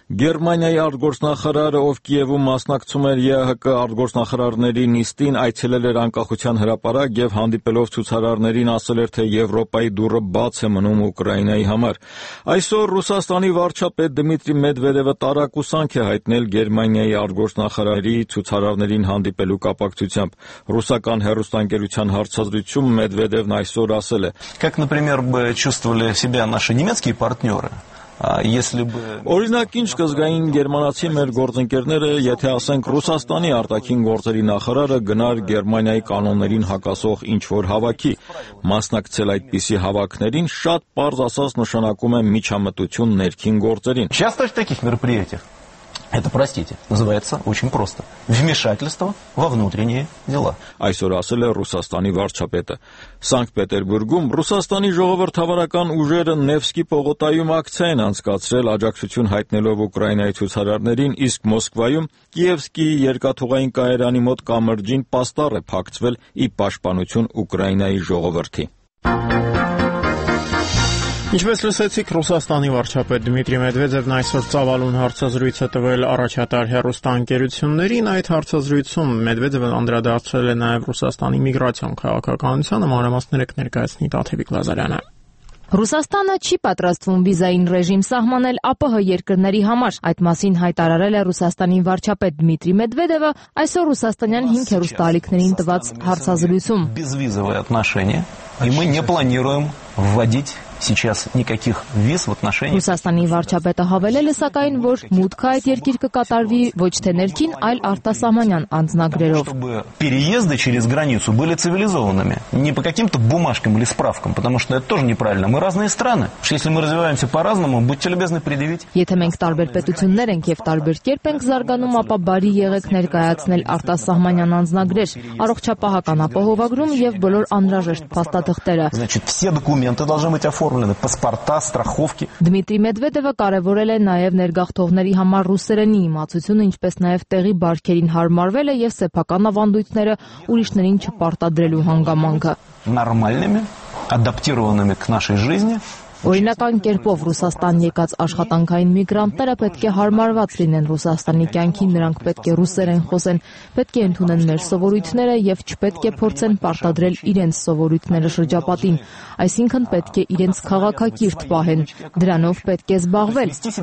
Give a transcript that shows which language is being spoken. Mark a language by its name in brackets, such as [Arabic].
[Armenian] Գերմանիայի արտգործնախարարը, ով Կիևում մասնակցում էր ԵՀԿ արտգործնախարարների նիստին, այցելել էր անկախության հրապարակ և հանդիպելով ցուցարարներին ասել էր, թե Եվրոպայի դուռը բաց է մնում Ուկրաինայի համար։ Այսօր Ռուսաստանի վարչապետ Դմիտրի Մեդվեդևը տարակուսանք է հայտնել Գերմանիայի արտգործնախարարի ցուցարարներին հանդիպելու կապակցությամբ։ Ռուսական հեռուստաընկերության հարցազրույցում Մեդվեդևն այսօր ասել է. [Russian] Как, например, бы чувствовали себя наши немецкие партнёры? [Armenian] Օրինակ ինչ կզգային գերմանացի մեր գործընկերները, եթե ասենք Ռուսաստանի արտաքին գործերի նախարարը գնար Գերմանիայի կանոններին հակասող ինչ-որ հավաքի, մասնակցել այդպիսի հավաքներին շատ պարզ ասած նշանակում է միջամտություն ներքին գործերին։ [Russian] Это, простите, называется очень просто. Вмешательство во внутренние дела. [Armenian] Այսօր ասել է Ռուսաստանի վարչապետը. Սանկտպետերբուրգում Ռուսաստանի ժողովրդավարական ուժերը Նևսկի պողոտայում ակցիա են անցկացրել աջակցություն հայտնելով Ուկրաինայի ցուցարարներին, իսկ Մոսկվայում Կիևսկի երկաթուղային կայարանի մոտ կամրջին պաստառ է փակցվել ի պաշտպանություն Ուկրաինայի ժողովրդի։ Ինչպես լսեցիք, Ռուսաստանի վարչապետ Դմիտրի Մեդվեդևն այսօր ծավալուն հարցազրույց է տվել առաջատար հեռուստաընկերություններին։ Այդ հարցազրույցում Մեդվեդևը անդրադարձրել է նաև Ռուսաստանի միգրացիոն քաղաքականությանը, մանրամասներեք ներկայացնի Տաթևիկ Լազարյանը։ Ռուսաստանը չի պատրաստվում վիզային ռեժիմ սահմանել ԱՊՀ երկրների համար։ Այդ մասին հայտարարել է Ռուսաստանի վարչապետ Դմիտրի Մեդվեդևը այսօր ռուսաստանյան 5 հեռուստալիքներին տված հարցազրույցում։ [Russian] Безвизовые отношения, и мы не планируем вводить сейчас никаких виз в отношении [Armenian] Ռուսաստանի վարչապետը հավելել է, սակայն որ մուտքը այդ երկիրը կկատարվի ոչ թե ներքին, այլ արտասահմանյան անձնագրերով։ [Russian] Переезды через границу были цивилизованными, не по каким-то бумажкам или справкам, потому что это тоже неправильно. Мы разные страны. Если мы развиваемся по-разному, будьте любезны предъявить. [Armenian] Եթե մենք տարբեր պետություններ ենք եւ տարբեր կերպ ենք զարգանում, ապա բարի եղեք ներկայացնել արտասահմանյան անձնագրեր, առողջապահական ապահովագրում եւ բոլոր անհրաժեշտ փաստաթղթերը։ [Russian] Значит, все документы должны быть оформлены, паспорта, страховки. [Armenian] Դմիտրի Մեդվեդևը կարևորել է նաև ներգաղթողների համար ռուսերենի իմացությունը, ինչպես նաև տեղի բարքերին հարմարվել է եւ սեփական ավանդույթները ուրիշներին չպարտադրելու հանգամանքը։ [Russian] Նորմալնիմի, ադապտիրովանիմի կ նաշեյ ժիզնի։ [Armenian] Օրինական կերպով Ռուսաստան եկած աշխատանքային միգրանտները պետք է հարմարված լինեն Ռուսաստանի կյանքին, նրանք պետք է ռուսերեն խոսեն, պետք է ընդունեն մեր սովորույթները եւ չպետք է փորձեն պարտադրել իրենց սովորույթները շրջապատին, այսինքն պետք է իրենց քաղաքակիրթ պահեն, դրանով պետք է զբաղվեն։